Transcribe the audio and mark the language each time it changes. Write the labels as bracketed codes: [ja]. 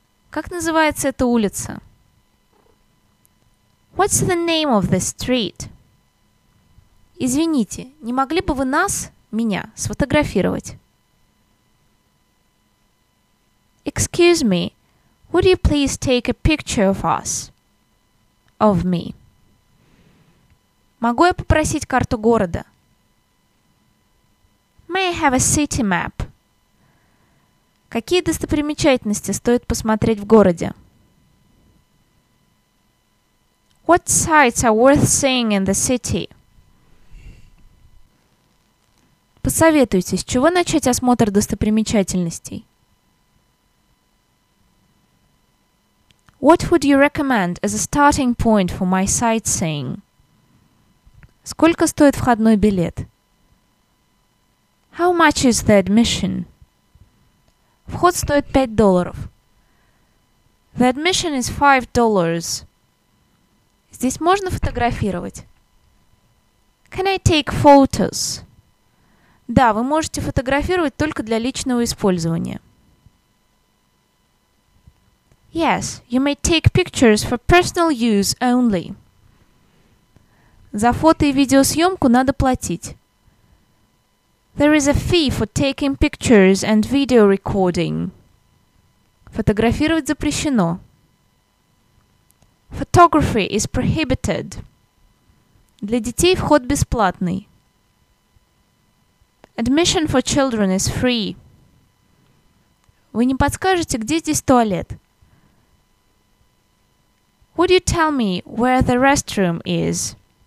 [ru] Как называется эта улица? [en] What's the name of the street? [ru] Извините, не могли бы вы нас, меня, сфотографировать? [en] Excuse me, would you please take a picture of us? Of me. [ru] Могу я попросить карту города? [en] May I have a city map? [ru] Какие достопримечательности стоит посмотреть в городе? [en] What sights are worth seeing in the city? [ru] Посоветуйте, с чего начать осмотр достопримечательностей? [en] What would you recommend as a starting point for my sightseeing? [ru] Сколько стоит входной билет? [en] How much is the admission? [ru] Вход стоит $5. [en] The admission is $5. [ru] Здесь можно фотографировать? [en] Can I take photos? [ru] Да, вы можете фотографировать только для личного использования. [en] Yes, you may take pictures for personal use only. [ru] За фото и видеосъемку надо платить. [en] There is a fee for taking pictures and video recording. [ru] Фотографировать запрещено. [en] Photography is prohibited. [ru] Для детей вход бесплатный. [en] Admission for children is free. [ru] Вы не подскажете, где здесь туалет? [en] Would you tell me where the restroom is?